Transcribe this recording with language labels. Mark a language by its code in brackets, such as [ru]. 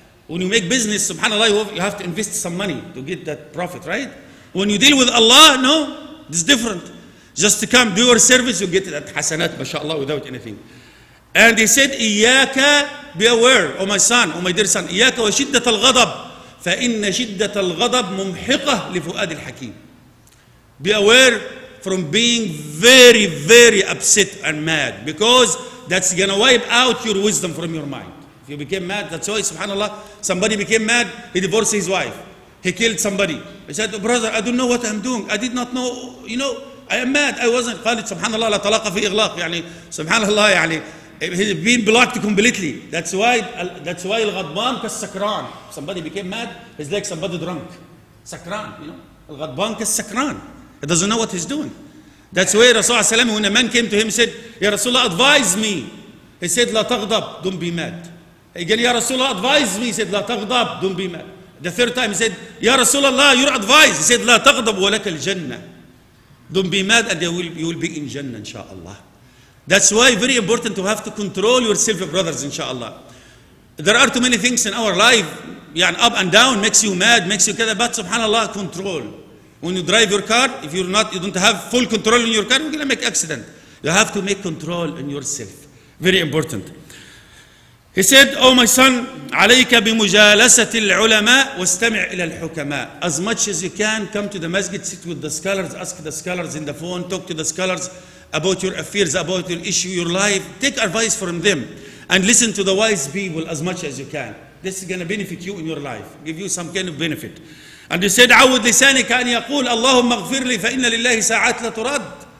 [en] When you make business, subhanAllah, you have to invest some money to get that profit, right? When you deal with Allah, no, it's different. Just to come, do your service, you get that حسنات, mashallah, without anything. And he said, إياك, be aware, oh my son, oh my dear son, [ar] إياك وشدة الغضب, فإن شدة الغضب ممحقة لفؤاد الحكيم. [en] Be aware from being very, very upset and mad, because that's going to wipe out your wisdom from your mind. If you became mad, that's why, subhanAllah, somebody became mad, he divorced his wife. He killed somebody. He said, oh, brother, I don't know what I'm doing. I did not know, you know, I am mad. I wasn't. [ar] قالت, subhanAllah, لا طلاق في إغلاق. [en] يعني, subhanAllah, يعني, he's been blocked completely. That's why [ar] الغضبان كالسكران. [en] Somebody became mad, he's like somebody drunk. سكران, you know. [ar] الغضبان كالسكران. [en] He doesn't know what he's doing. That's why [ar] رسول الله صلى الله عليه وسلم, [en] when a man came to him, he said, [ar] يا رسول الله, [en] advise me. He said, [ar] لا تغضب, [en] don't be mad. Again, [ar] يا رسول الله, [en] advise me. He said, [ar] لا تغضب, [en] don't be mad. The third time he said, [ar] يا رسول الله, [en] your advice. [ar] He said, لا تغضب ولك الجنة. [en] Don't be mad and you will be in Jannah, inshallah. That's why very important to have to control yourself, brothers, inshallah. There are too many things in our life, يعني up and down, makes you mad, makes you kada, but subhanAllah, control. When you drive your car, if you don't have full control in your car, you're going to make accident. You have to make control in yourself. Very important. He said, oh my son, [ar] عليك بمجالسة العلماء واستمع إلى الحكماء. [en] As much as you can, come to the masjid, sit with the scholars, ask the scholars in the phone, talk to the scholars about your affairs, about your issue, your life. Take advice from them and listen to the wise people as much as you can. This is going to benefit you in your life, give you some kind of benefit. And he said, [ar] عود لسانك أن يقول اللهم اغفر لي فإن لله ساعات لا ترد.